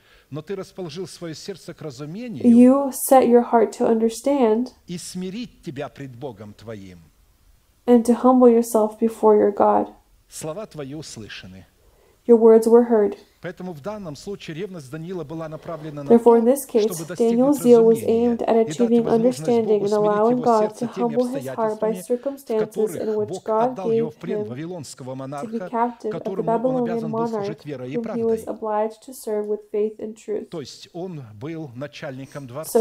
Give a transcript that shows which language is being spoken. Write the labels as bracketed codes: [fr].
[ru] Но ты расположил свое сердце к разумению. [en] You set your heart to understand. [ru] И смирить тебя пред Богом твоим. [en] And to humble yourself before your God. [ru] Слова твои услышаны. [en] Your words were heard. [ru] Поэтому в данном случае ревность Даниила была направлена на [en] therefore, in this case, Daniel's zeal was aimed at achieving understanding and allowing God to humble his heart by circumstances in which God gave him to be captive of the Babylonian monarch, whom he was obliged to serve with faith and truth. [ru] То есть он был начальником дворца